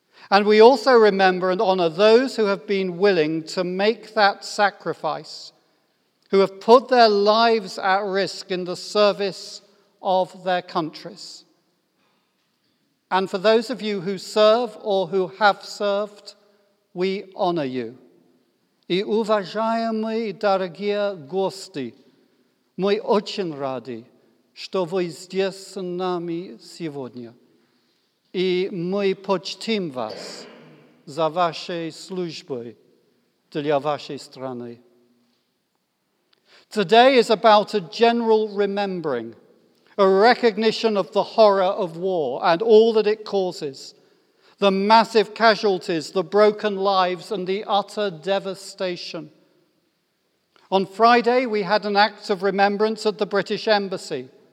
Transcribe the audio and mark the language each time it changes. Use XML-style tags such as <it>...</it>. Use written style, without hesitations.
<en>And we also remember and honour those who have been willing to make that sacrifice, who have put their lives at risk in the service of their countries. And for those of you who serve or who have served, we honour you.</en> <ru>И уважаемые дорогие гости, мы очень рады, что вы здесь с нами сегодня. И мы почтим вас за ваши службы для вашей страны.</ru> <en>Today is about a general remembering, a recognition of the horror of war and all that it causes, the massive casualties, the broken lives, and the utter devastation. On Friday, we had an act of remembrance at the British Embassy.</en>